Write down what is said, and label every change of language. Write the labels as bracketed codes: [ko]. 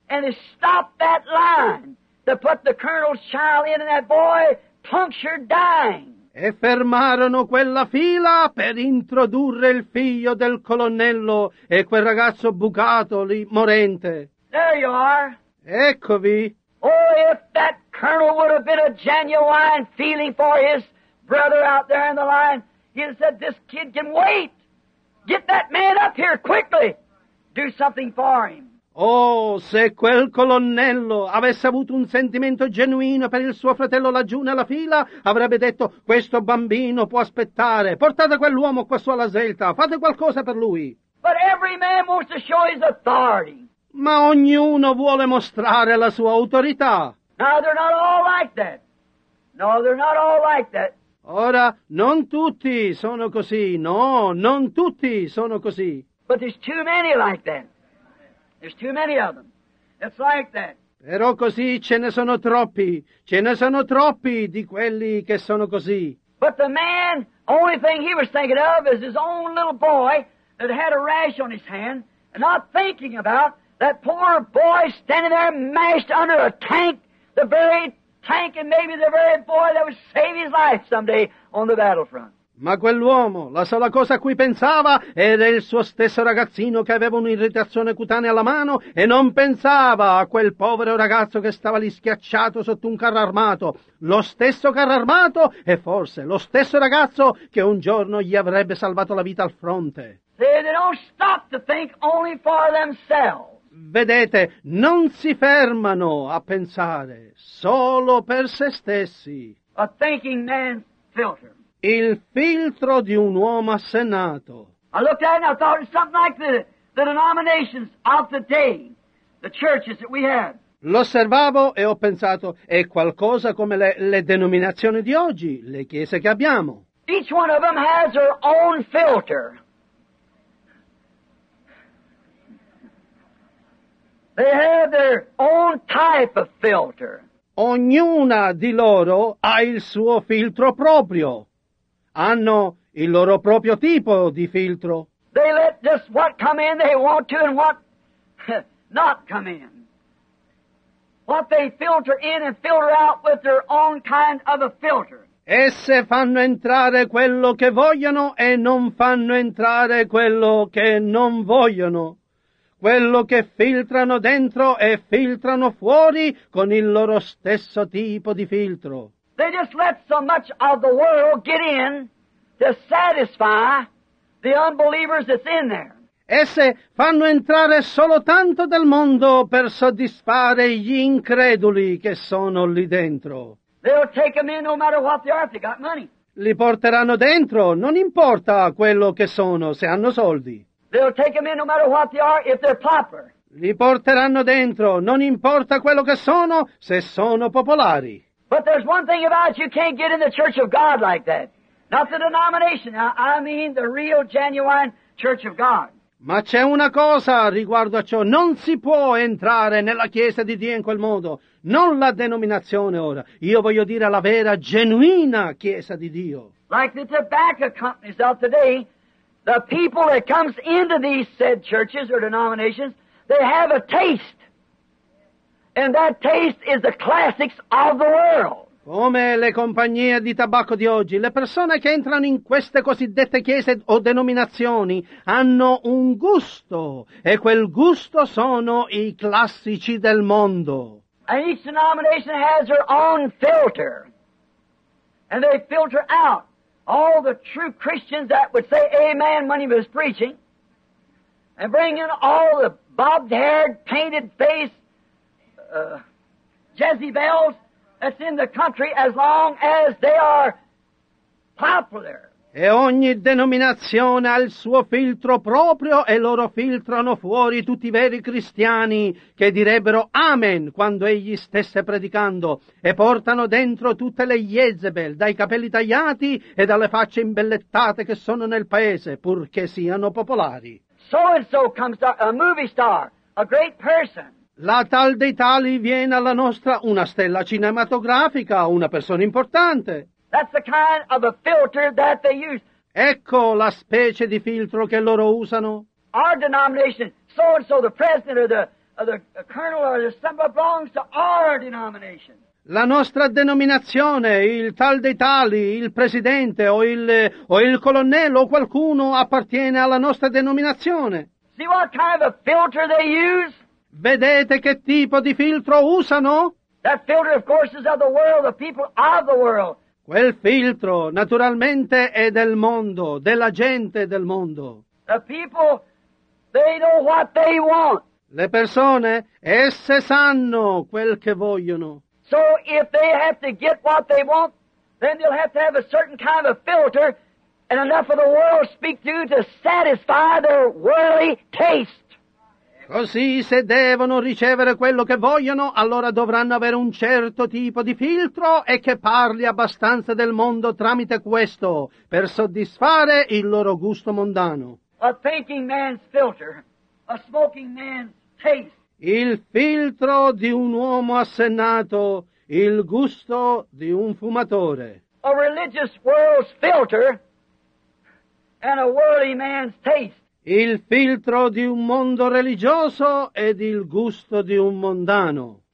[en] And he stopped that line to put the colonel's child in, and that boy punctured dying. [it] E fermarono quella fila per introdurre il figlio del colonnello e quel ragazzo bucato lì, morente. [en] There you are. [it] Eccovi. [en] Oh, if that colonel would have been a genuine feeling for his brother out there in the line, he'd have said, this kid can wait. Get that man up here quickly. Do something for him. [it] Oh, se quel colonnello avesse avuto un sentimento genuino per il suo fratello laggiù nella fila, avrebbe detto, questo bambino può aspettare. Portate quell'uomo qua su alla svelta. Fate qualcosa per lui. [en] But every man wants to show his authority. [it] Ma ognuno vuole mostrare la sua autorità. [en] No, they're not all like that. No, they're not all like that. [it] Ora, non tutti sono così. No, non tutti sono così. [en] But there's too many like that. There's too many of them. It's like that. [it] Però così ce ne sono troppi. Ce ne sono troppi di quelli che sono così. [en] But the man, only thing he was thinking of is his own little boy that had a rash on his hand, and not thinking about that poor boy standing there mashed under a tank, the very tank, and maybe the very boy that would save his life someday on the battlefront. [it] Ma quell'uomo, la sola cosa a cui pensava era il suo stesso ragazzino che aveva un'irritazione cutanea alla mano e non pensava a quel povero ragazzo che stava lì schiacciato sotto un carro armato, lo stesso carro armato e forse lo stesso ragazzo che un giorno gli avrebbe salvato la vita al fronte. [en] They don't stop to think only for themselves. [it] Vedete, non si fermano a pensare solo per se stessi. [en] A thinking man's filter. [it] Il filtro di un uomo assennato. [en] I looked at it and I thought it's something like the denominations of the day, the churches that we have. [it] L'osservavo e ho pensato, è qualcosa come le denominazioni di oggi, le chiese che abbiamo. [en] Each one of them has their own filter. They have their own type of filter. [it] Ognuna di loro ha il suo filtro proprio. Hanno il loro proprio tipo di filtro. [en] They let just what come in they want to and what not come in. What they filter in and filter out with their own kind of a filter. [it] Esse fanno entrare quello che vogliono e non fanno entrare quello che non vogliono. Quello che filtrano dentro e filtrano fuori con il loro stesso tipo di filtro. [en] They just let so much of the world get in. To satisfy the unbelievers that's in there. [it] Esse fanno entrare solo tanto del mondo per soddisfare gli increduli che sono lì dentro. [en] They'll take them in no matter what they are if they got money. [it] Li porteranno dentro, non importa quello che sono, se hanno soldi. [en] They'll take them in no matter what they are if they're popular. [it] Li porteranno dentro, non importa quello che sono, se sono popolari. [en] But there's one thing about you can't get in the church of God like that. Not the denomination, I mean the real, genuine Church of God. [it] Ma c'è una cosa riguardo a ciò. Non si può entrare nella Chiesa di Dio in quel modo. Non la denominazione ora. Io voglio dire la vera, genuina Chiesa di Dio. [en] Like the tobacco companies of today, the people that comes into these said churches or denominations, they have a taste. And that taste is the classics of the world. [it] Come le compagnie di tabacco di oggi, le persone che entrano in queste cosiddette chiese o denominazioni hanno un gusto, e quel gusto sono i classici del mondo. [en] And each denomination has their own filter. And they filter out all the true Christians that would say amen when he was preaching, and bring in all the bobbed-haired, painted-faced Jezebels, that's in the country as long as they are popular. [it] E ogni denominazione ha il suo filtro proprio e loro filtrano fuori tutti i veri cristiani che direbbero amen quando egli stesse predicando e portano dentro tutte le Jezebel dai capelli tagliati e dalle facce imbellettate che sono nel paese purché siano popolari. [en] So and so comes a movie star, a great person. [it] La tal dei tali viene alla nostra una stella cinematografica, una persona importante. [en] That's the kind of a filter that they use. [it] Ecco la specie di filtro che loro usano. [en] Our denomination, so and so, the president or the colonel or the somebody belongs to our denomination. [it] La nostra denominazione, il tal dei tali, il presidente o il colonnello o qualcuno appartiene alla nostra denominazione. [en] See what kind of a filter they use? [it] Vedete che tipo di filtro usano? [en] That filter, of course, is of the world, the people of the world. [it] Quel filtro, naturalmente, è del mondo, della gente del mondo. [en] The people, they know what they want. [it] Le persone, esse sanno quel che vogliono. [en] So if they have to get what they want, then they'll have to have a certain kind of filter and enough of the world speak to satisfy their worldly taste. [it] Così, se devono ricevere quello che vogliono, allora dovranno avere un certo tipo di filtro e che parli abbastanza del mondo tramite questo, per soddisfare il loro gusto mondano. [en] A thinking man's filter, a smoking man's taste. [it] Il filtro di un uomo assennato, il gusto di un fumatore. [en] A religious world's filter and a worldly man's taste. [it] Il filtro di un mondo religioso ed il gusto di un mondano.